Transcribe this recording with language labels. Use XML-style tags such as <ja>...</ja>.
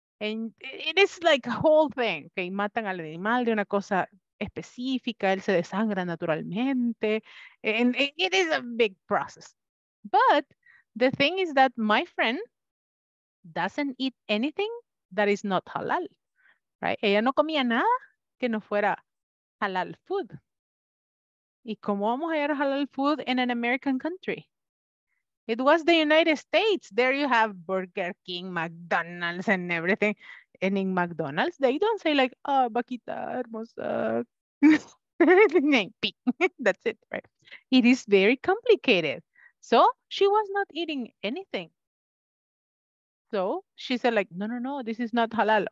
<en>And it is like a whole thing. Okay,</en> <es>matan al animal de una cosa específica. Él se desangra naturalmente.</es> <en>And it is a big process. But the thing is that my friend doesn't eat anything that is not halal. Right?</en> <es>Ella no comía nada que no fuera halal food. ¿Y cómo vamos a hallar halal food</es> <en>in an American country? It was the United States. There you have Burger King, McDonald's, and everything. And in McDonald's, they don't say like, oh,</en> <es>vaquita hermosa.</es> <en>That's it, right? It is very complicated. So she was not eating anything. So she said like, no, this is not halal.</en>